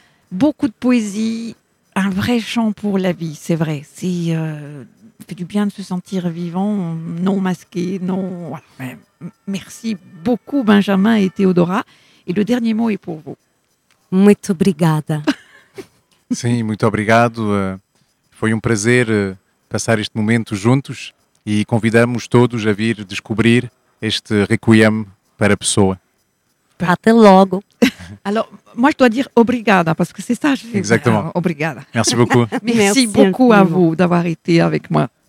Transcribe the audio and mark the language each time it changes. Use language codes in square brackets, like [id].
[fr] beaucoup de poésie, un vrai chant pour la vie, c'est vrai. C'est fait du bien de se sentir vivant, non masqué, non... Voilà. Merci beaucoup Benjamin et Théodora. Et le dernier mot est pour vous. [pt] Muito obrigada. Sim, muito obrigado. Foi prazer passar este momento juntos e convidamos todos a vir descobrir este requiem para a pessoa. Até logo. [fr] Alors, moi je dois dire obrigada, parce que c'est ça. Je... Exactement. [pt] Obrigada. [fr] Merci beaucoup. Merci beaucoup à vous d'avoir été avec moi.